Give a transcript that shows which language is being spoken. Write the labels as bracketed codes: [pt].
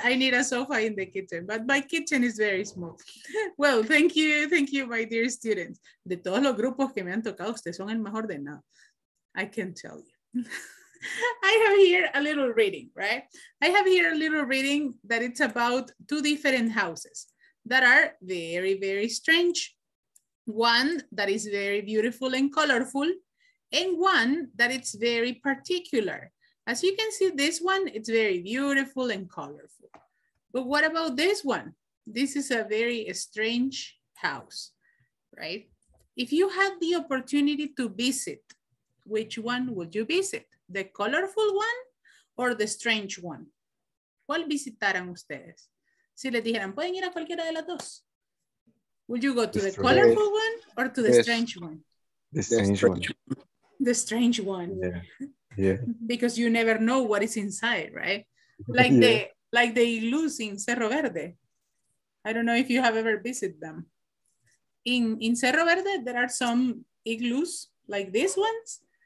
[en] I need a sofa in the kitchen, but my kitchen is very small. Well, thank you. Thank you, my dear students. [es] De todos los grupos que me han tocado, ustedes son el mejor de nada. [en] I can tell you. I have here a little reading, right? I have here a little reading that it's about two different houses that are very, very strange. One that is very beautiful and colorful, and one that it's very particular. As you can see, this one, it's very beautiful and colorful. But what about this one? This is a very strange house, right? If you had the opportunity to visit, which one would you visit? The colorful one or the strange one? [es] ¿Cuál visitaran ustedes? Si les dijeran, pueden ir a cualquiera de las dos. [en] Would you go to the colorful one or to the strange one? The strange one. Yeah. Because you never know what is inside, right? Like the Igloos in Cerro Verde. I don't know if you have ever visited them. In Cerro Verde, there are some igloos like these ones.